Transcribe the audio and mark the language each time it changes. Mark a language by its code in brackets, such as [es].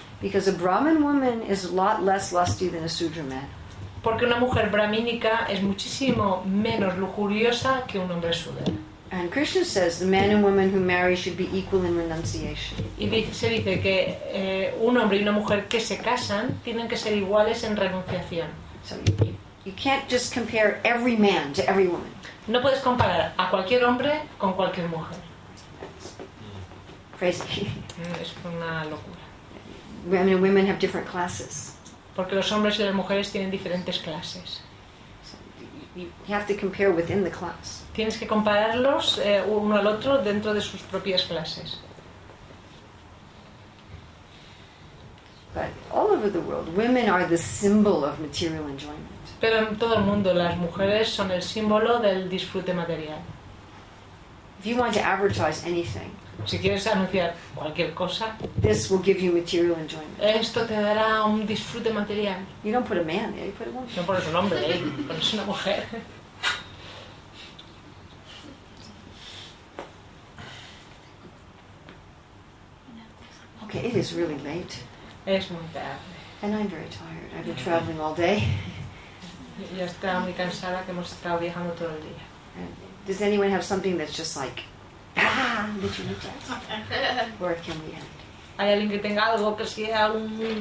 [en] Because a Brahmin woman is a lot less lusty than a Sudra man. [es] Porque una mujer brahmínica es muchísimo menos lujuriosa que un hombre Sudra. [en] And Krishna says the man and woman who marry should be equal in renunciation. [es] Y se dice que un hombre y una mujer que se casan tienen que ser iguales en renunciación. [en] So you can't just compare every man to every woman. [es] No puedes comparar a cualquier hombre con cualquier mujer. [en] Crazy. [es] Es una locura. [en] Men and women have different classes. [es] Porque los hombres y las mujeres tienen diferentes clases. [en] You have to compare within the class. [es] Tienes que compararlos uno al otro dentro de sus propias clases. [en] But all over the world, women are the symbol of material enjoyment. [es] Pero en todo el mundo las mujeres son el símbolo del disfrute material. [en] If you want to advertise anything, [es] si quieres anunciar cualquier cosa, [en] this will give you material enjoyment. [es] Esto te dará un disfrute material. [en] You don't put a man there, you put a woman. [es] No pones un hombre, pones una mujer. [en] Okay, it is really late. [es] Es muy tarde. [en] And I'm very tired. I've been traveling all day. [es] Ya está muy cansada que hemos estado viajando todo el día. [en] Does anyone have something that's just like, did you need that? Or can we end? [es] ¿Hay alguien que tenga algo que sea un?